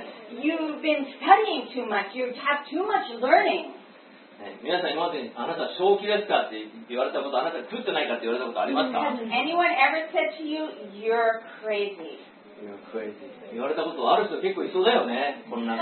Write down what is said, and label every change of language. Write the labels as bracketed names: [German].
[English] You've been studying too much. You have too much learning. [Japanese] 皆さん今までにあなた正気ですかって言われたこと、あなた狂ってないかって言われたことありますか？ [English] Has anyone ever said to you, you're crazy? [Japanese] 言われたことある人結構いそうだよね、こんなの。